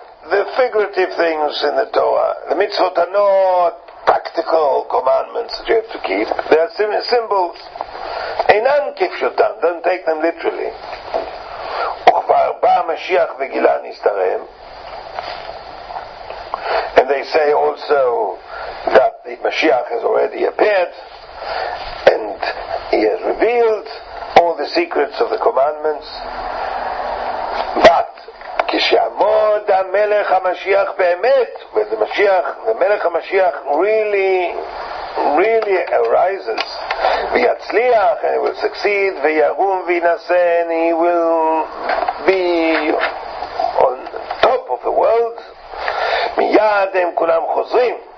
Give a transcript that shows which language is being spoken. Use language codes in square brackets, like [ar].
[en] The figurative things in the Torah, the mitzvot are not practical commandments that you have to keep. They are symbols. [he] אינן כפשוטן, [en] don't take them literally. [he] וכבר בא המשיח וגילה נסתרם. [en] And they say also that the Mashiach has already appeared and he has revealed all the secrets of the commandments. But [he] כשעמוד המלך המשיח באמת, [en] when the Mashiach, the Melech HaMashiach really arises, [he] ויצליח, [en] and he will succeed, [he] וירום וינשא, [en] and he will be on top of the world, [he] מיד הם כולם חוזרים.